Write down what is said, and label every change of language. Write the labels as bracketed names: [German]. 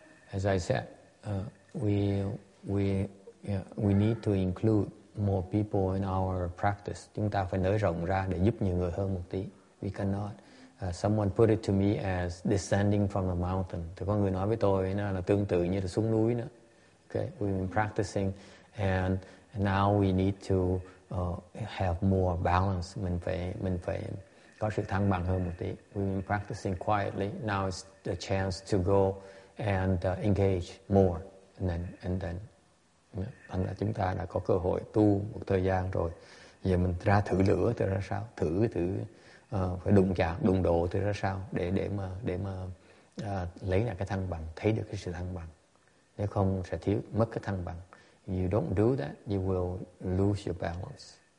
[English] As I said, we need to include more people in our practice. [Vietnamese] Chúng ta phải nới rộng ra để giúp nhiều người hơn một tí. [English] We cannot. Someone put it to me as descending from the mountain. [Vietnamese] Thì có người nói với tôi nó là tương tự như là xuống núi nữa. [English] Okay, we've been practicing, and now we need to have more balance. [Vietnamese] Mình phải có sự thăng bằng hơn một tí. [English] We've been practicing quietly. Now it's the chance to go and engage more. And then, [Vietnamese] thành ra chúng ta đã có cơ hội tu một thời gian rồi. Giờ mình ra thử lửa thì ra sao? Thử phải đụng chạm, đụng độ thì ra sao? Để mà lấy lại cái thăng bằng, thấy được cái sự thăng bằng. Nếu không sẽ thiếu, mất cái thăng bằng. [English] You don't do that, you will lose your balance.